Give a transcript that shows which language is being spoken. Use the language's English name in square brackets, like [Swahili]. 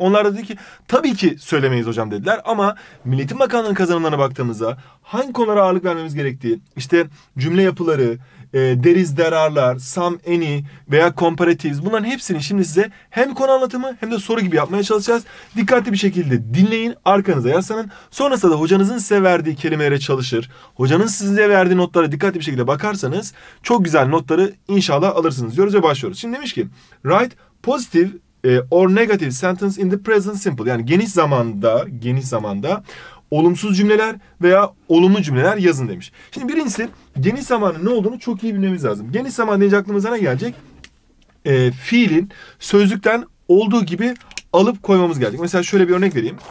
[Turkish] Onlar da dedi ki, tabii ki söylemeyiz hocam dediler. Ama Milli Eğitim Bakanlığı'nın kazanımlarına baktığımızda hangi konulara ağırlık vermemiz gerektiği, işte cümle yapıları, there is, there are'lar, some, any veya comparatives, bunların hepsini şimdi size hem konu anlatımı hem de soru gibi yapmaya çalışacağız. Dikkatli bir şekilde dinleyin, arkanıza yaslanın. Sonrasında da hocanızın size verdiği kelimelere çalışır, hocanın size verdiği notlara dikkatli bir şekilde bakarsanız çok güzel notları inşallah alırsınız diyoruz ve başlıyoruz. Şimdi demiş ki, [English] write positive or negative sentence in the present simple. [Turkish] Yani geniş zamanda olumsuz cümleler veya olumlu cümleler yazın demiş. Şimdi birincisi, geniş zamanın ne olduğunu çok iyi bilmemiz lazım. Geniş zaman deyince aklımıza ne gelecek? Fiilin sözlükten olduğu gibi alıp koymamız gelecek. Mesela şöyle bir örnek vereyim.